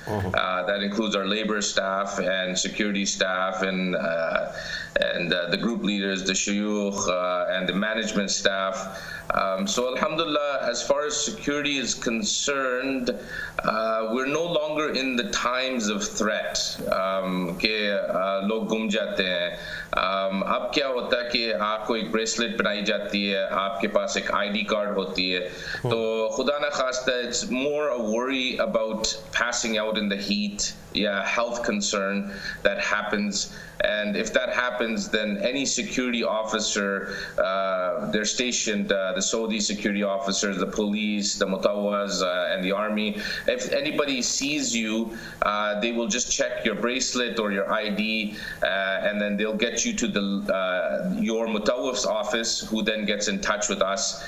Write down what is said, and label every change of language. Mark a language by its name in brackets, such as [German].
[English] That includes our labor staff and security staff and the group leaders, the shuyukh, and the management staff. So alhamdulillah, as far as security is concerned, we're no longer in the times of threat. [Urdu] لوگ گم جاتے ہیں۔ اب کیا ہوتا ہے کہ آپ کو ایک bracelet بنائی جاتی ہے، آپ کے پاس ایک ID card ہوتی ہے۔ [English] So khuda na khasta, it's more a worry about passing out in the heat. Yeah, health concern that happens. And if that happens, then any security officer, they're stationed, the Saudi security officers, the police, the mutawwaz, and the army, if anybody sees you, they will just check your bracelet or your ID, and then they'll get you to the your mutawwaf's office, who then gets in touch with us.